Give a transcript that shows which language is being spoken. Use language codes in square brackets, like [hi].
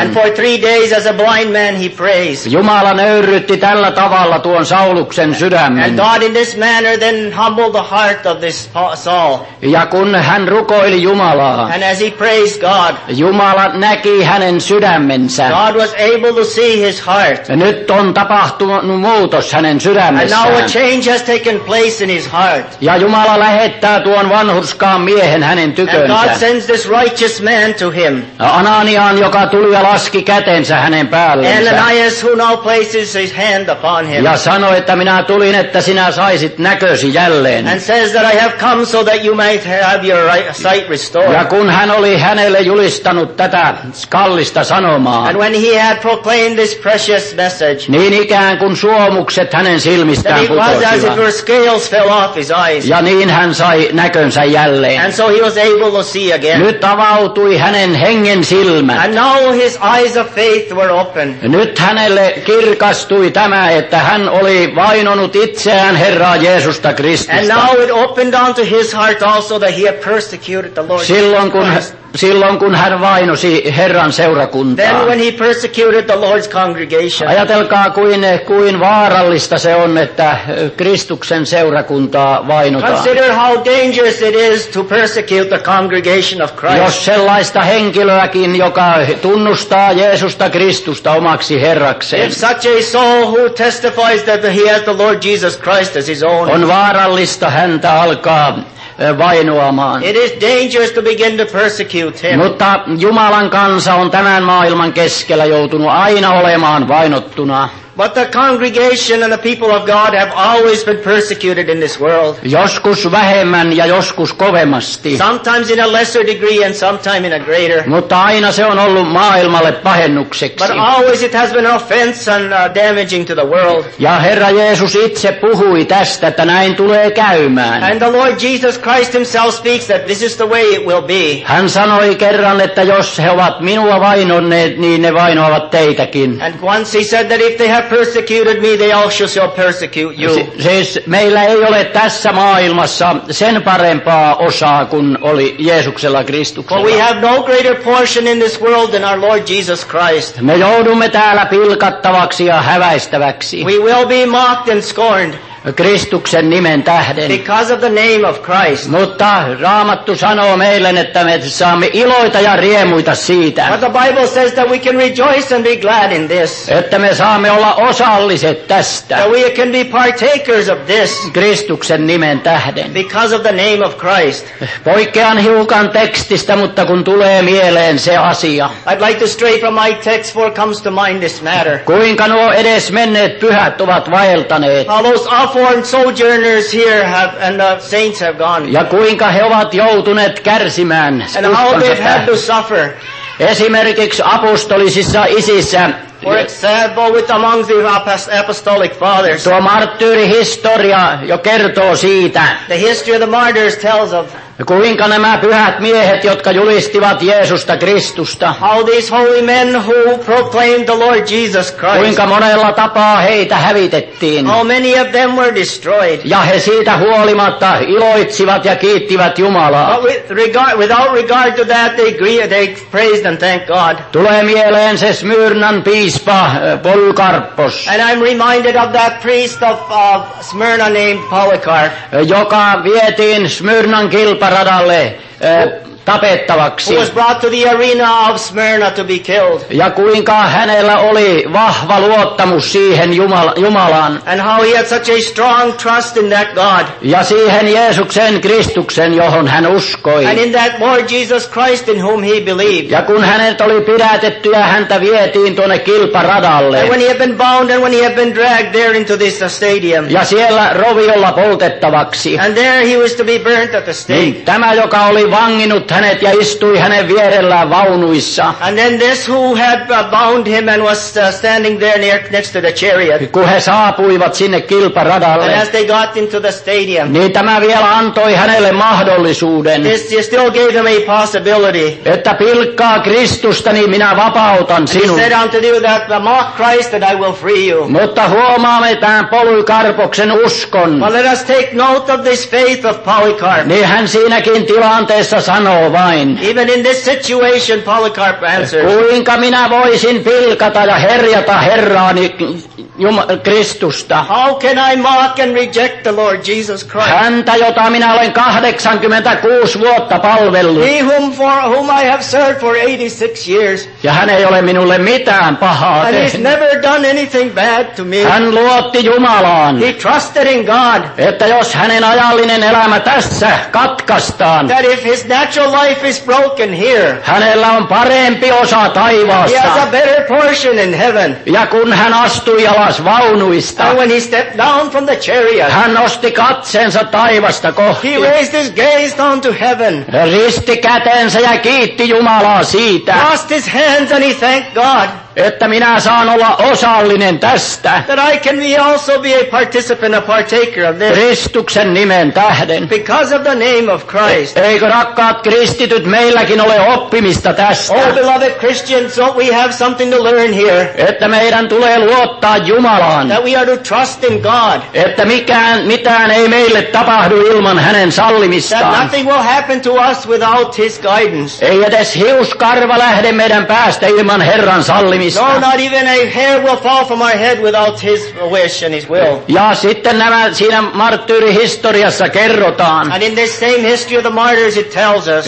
[en] And for 3 days as a blind man he prays. [fi] Jumala nöyrytti tällä tavalla tuon Sauluksen sydämen. [en] And God in this manner then humbled the heart of this Saul. [fi] Ja kun hän rukoili Jumalaa. [en] And as he praised God. [fi] Jumala näki hänen sydämensä. [en] God was able to see his heart. [fi] Ja nyt on tapahtunut muutos hänen sydämessään. [en] And now a change has taken place in his heart. [fi] Ja Jumala lähettää tuon vanhurskaan miehen hänen tykönsä. [en] And God sends this righteous man to him. [fi] Ananiaan, joka tuli ja laski käteen. [en] Ananias, who now places his hand upon him. [fi] Ja sanoi, että minä tulin, että sinä saisit näkösi jälleen. [en] And says that I have come so that you might have your sight restored. [fi] Ja kun hän oli hänelle julistanut tätä kallista sanomaa. [en] And when he had proclaimed this precious message. [fi] Niin ikään kuin suomukset hänen silmistään putosivat. [en] That it was as if her scales fell off his eyes. [fi] Ja niin hän sai näkönsä jälleen. [en] And so he was able to see again. [fi] Nyt avautui hänen hengen silmät. [en] And now his eyes of faith were open. [fi] Nyt hänelle kirkastui tämä, että hän oli vainonut itseään Herraa Jeesusta Kristusta. [en] And now it opened unto his heart also that he had persecuted the Lord. [fi] Silloin kun hän vainosi Herran seurakuntaa. [en] Then when he persecuted the Lord's congregation. [fi] Ajatelkaa kuin vaarallista se on, että Kristuksen seurakuntaa vainotaan. [en] Consider how dangerous it is to persecute the congregation of Christ. [fi] Jos sellaista henkilöäkin, joka tunnustaa Jeesusta Kristusta omaksi Herrakseen. [en] If such a soul who testifies that he has the Lord Jesus Christ as his own. [fi] On vaarallista häntä alkaa vainoamaan. [en] It is dangerous to begin to persecute him. [fi] Mutta Jumalan kansa on tämän maailman keskellä joutunut aina olemaan vainottuna. [en] But the congregation and the people of God have always been persecuted in this world. [fi] Joskus vähemmän ja joskus kovemmasti. [en] Sometimes in a lesser degree and sometimes in a greater. [fi] Mutta aina se on ollut maailmalle pahennukseksi. [en] But always it has been an offense and damaging to the world. [fi] Ja Herra Jeesus itse puhui tästä, että näin tulee käymään. [en] And the Lord Jesus Christ himself speaks that this is the way it will be. [fi] Hän sanoi kerran, että jos he ovat minua vainonneet, niin ne vainoavat teitäkin. [en] And once he said that if they have persecuted me, they also shall persecute you. [fi] Siis meillä ei ole tässä maailmassa sen parempaa osaa kuin oli Jeesuksella Kristuksella. [en] But we have no greater portion in this world than our Lord Jesus Christ. [fi] Me joudumme täällä pilkattavaksi ja häväistäväksi. [en] We will be mocked and scorned. [fi] Kristuksen nimen tähden. [en] Because of the name of Christ. [fi] Mutta Raamattu sanoo meille, että me saamme iloita ja riemuita siitä. [en] But the Bible says that we can rejoice and be glad in this. [fi] Että me saamme olla osalliset tästä. [en] That we can be partakers of this. [fi] Kristuksen nimen tähden. [en] Because of the name of Christ. [fi] Poikkean hiukan tekstistä, mutta kun tulee mieleen se asia. [en] I'd like to stray from my text for it comes to mind this matter. [fi] Kuinka nuo edes menneet pyhät ovat vaeltaneet. [en] Foreign sojourners here have, and the saints have gone. [fi] Ja kuinka he ovat joutuneet kärsimään. [en] And how they've had to suffer. [fi] Esimerkiksi apostolisissa isissä. [en] For example, with among the apostolic fathers. [fi] Tuo marttyyrihistoria jo kertoo siitä. [en] The history of the martyrs tells of. [fi] Kuinka nämä pyhät miehet, jotka julistivat Jeesusta Kristusta. [en] How these holy men who proclaimed the Lord Jesus Christ. [fi] Kuinka monella tapaa heitä hävitettiin. [en] How many of them were destroyed. [fi] Ja he siitä huolimatta iloitsivat ja kiittivät Jumalaa. [en] Without regard to that, they praised and thanked God. [fi] Tulee mieleen se Smyrnan piispa Polykarpos. [en] And I'm reminded of that priest of Smyrna named Polycarp. [fi] Joka vietiin Smyrnan kilparadalle tapettavaksi. [en] Who was brought to the arena of Smyrna to be killed. [fi] Ja kuinka hänellä oli vahva luottamus siihen Jumalaan. [en] And how he had such a strong trust in that God. [fi] Ja siihen Jeesuksen Kristuksen, johon hän uskoi. [en] And in that Lord Jesus Christ in whom he believed. [fi] Ja kun hänet oli pidätetty ja häntä vietiin tuonne kilparadalle. [en] And when he had been bound and when he had been dragged there into this stadium. [fi] Ja siellä roviolla poltettavaksi. [en] And there he was to be burnt at the stake. [fi] Niin, tämä, joka oli vangin hänet ja istui hänen vierellään vaunuissa. [en] And then this who had bound him and was standing there near, next to the chariot. [fi] Kun he saapuivat sinne kilparadalle. [en] And as they got into the stadium. [fi] Niin tämä vielä antoi hänelle mahdollisuuden. [en] This still gave him a possibility. [fi] Että pilkkaa Kristusta, niin minä vapautan sinut. [en] And he said unto you that mock Christ and I will free you. [fi] Mutta huomaamme tämän Polykarpoksen uskon. [en] But let us take note of this faith of Polycarp. [fi] Niin hän siinäkin tilanteessa sanoo vain. [en] Even in this situation, Polycarp answers. [fi] Kuinka minä voisin pilkata ja herjata Herraani Kristusta? [en] How can I mock and reject the Lord Jesus Christ? [fi] Häntä, jota minä olen 86 vuotta palvellut. [en] Whom I have served for 86 years. [fi] Ja hän ei ole minulle mitään pahaa [en] and [fi] tehnyt. [en] And he's never done anything bad to me. [fi] Hän luotti Jumalaan. [en] He trusted in God. [fi] Että jos hänen ajallinen elämä tässä katkaistaan. [en] That if his natural life is broken here. [fi] Hänellä on parempi osa taivaasta. [en] He has a better portion in heaven. [fi] Ja kun hän astui alas vaunuista. [en] And when he stepped down from the chariot. [fi] Hän nosti katseensa taivasta kohti. [en] He raised his gaze down to heaven. [fi] Risti kätensä ja kiitti Jumalaa siitä. [en] Crossed his hands and he thanked God. [fi] Että minä saan olla osallinen tästä. [en] That I can be also be a participant, a partaker of this. [fi] Kristuksen nimen tähden. [en] Because of the name of Christ. [fi] Eikö rakkaat kristityt meilläkin ole oppimista tästä? [en] Oh, beloved Christians, don't we have something to learn here? [fi] Että meidän tulee luottaa Jumalaan. [en] That we are to trust in God. [fi] Että mitään ei meille tapahdu ilman hänen sallimistaan. [en] That nothing will happen to us without his guidance. [fi] Ei edes hiuskarva lähde meidän päästä ilman Herran sallimista. [en] No, not even a hair will fall from our head without his wish and his will. [fi] Ja sitten nämä siinä marttyyrihistoriassa kerrotaan. [en] And in this same history of the martyrs it tells us.